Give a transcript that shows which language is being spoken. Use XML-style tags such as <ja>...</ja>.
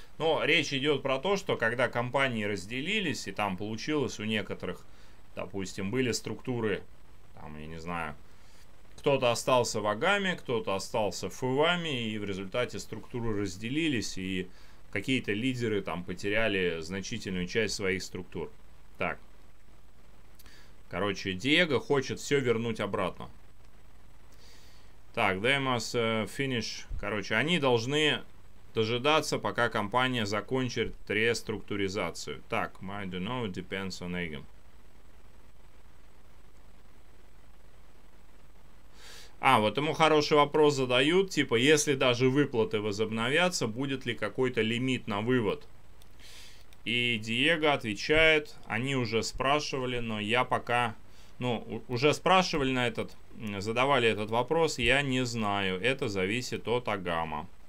<ru>Но речь идет про то, что когда компании разделились, и там получилось у некоторых, допустим, были структуры, там, я не знаю, кто-то остался в Агаме, кто-то остался в Ивами, и в результате структуры разделились, и какие-то лидеры там потеряли значительную часть своих структур. Так. Короче, Диего хочет все вернуть обратно.</ru> <en>Так, they must finish.</en> <ru>Короче, они должны дожидаться, пока компания закончит реструктуризацию.</ru> <en>Так, I don't know, it depends on Agam.</en> <ru>А, вот ему хороший вопрос задают, типа, если даже выплаты возобновятся, будет ли какой-то лимит на вывод? И Диего отвечает, они уже спрашивали, но я пока, ну, уже спрашивали на этот, задавали этот вопрос, я не знаю, это зависит от Агама.</ru>